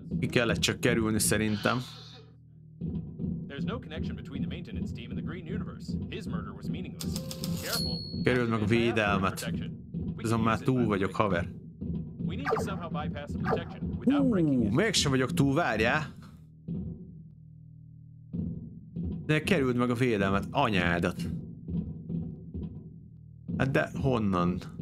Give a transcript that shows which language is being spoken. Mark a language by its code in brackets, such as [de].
[hu] Kellett csak kerülni szerintem. [en] There's no connection between the maintenance team and the green universe. His murder was meaningless. Careful. [hu] Kerüld meg védelmet. Azon már túl vagyok, haver. [en] We need to somehow bypass the protection without breaking it. [hu] Mégsem vagyok túl, várjál. De kerüld meg a védelmet, anyádat. Hát de honnan?